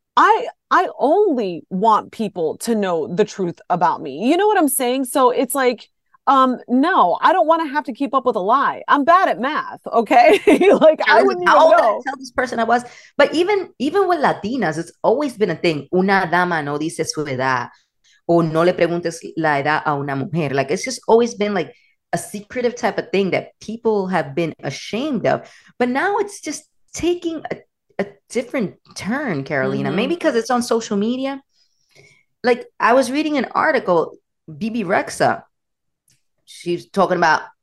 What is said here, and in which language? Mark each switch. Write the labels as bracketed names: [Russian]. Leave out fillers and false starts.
[English] I only want people to know the truth about me. You know what I'm saying? So it's like, no, I don't want to have to keep up with a lie. I'm bad at math. Okay. Like, I wouldn't even know. I tell this person I was, but even with Latinas, it's always been a thing. [Spanish] Una dama no dice su edad o no le preguntes la edad a una mujer. [English] Like, it's just always been like a secretive type of thing that people have been ashamed of, but now it's just taking a different turn, Carolina, maybe because it's on social media. Like, I was reading an article, Bibi Rexha, she's talking about